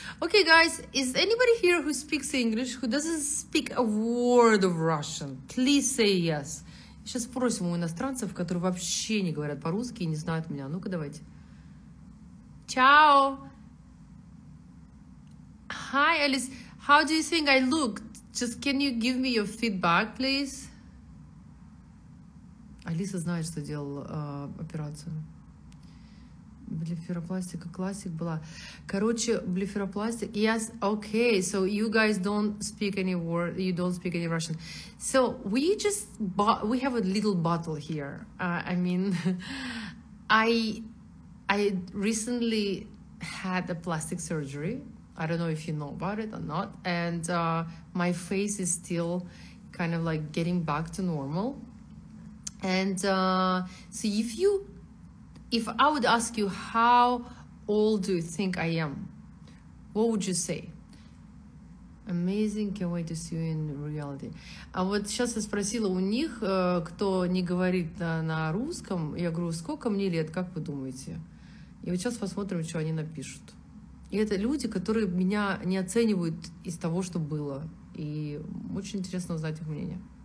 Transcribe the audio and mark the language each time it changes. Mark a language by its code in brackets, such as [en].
[en] Okay, guys, is anybody here who speaks English, who doesn't speak a word of Russian? Please say yes. [ru] Сейчас спросим у иностранцев, которые вообще не говорят по-русски и не знают меня. Ну-ка, давайте. Чао! [en] Hi, Alice. How do you think I look? Just can you give me your feedback, please? [ru] Алиса знает, что делала операцию. Блефаропластика классик была. Короче, блефаропластика... [en] Yes, okay, so you guys don't speak any word, you don't speak any Russian. So we have a little bottle here. I mean, I recently had a plastic surgery. I don't know if you know about it or not. And my face is still kind of like getting back to normal. And so if you... If I would ask you, how old do you think I am, what would you say? Amazing, can't wait to see you in reality. [ru] А вот сейчас я спросила у них, кто не говорит на русском, я говорю, сколько мне лет, как вы думаете? И вот сейчас посмотрим, что они напишут. И это люди, которые меня не оценивают из того, что было. И очень интересно узнать их мнение.